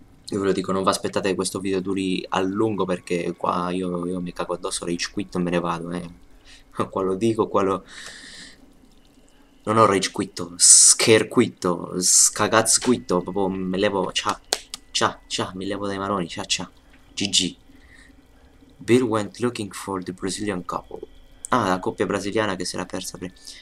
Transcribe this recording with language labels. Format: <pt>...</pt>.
<it>Io ve lo dico, non vi aspettate che questo video duri a lungo perché qua io mi cago addosso, rage quit e me ne vado, eh. Qua lo dico, qua lo. Non ho rage quitto, scare quitto, scagazz quitto, proprio me levo, ciao, ciao, ciao, mi levo dai maroni, ciao, ciao.</it> <en>GG. Bill went looking for the Brazilian couple.</en> <it>Ah, la coppia brasiliana che si era persa prima.</it>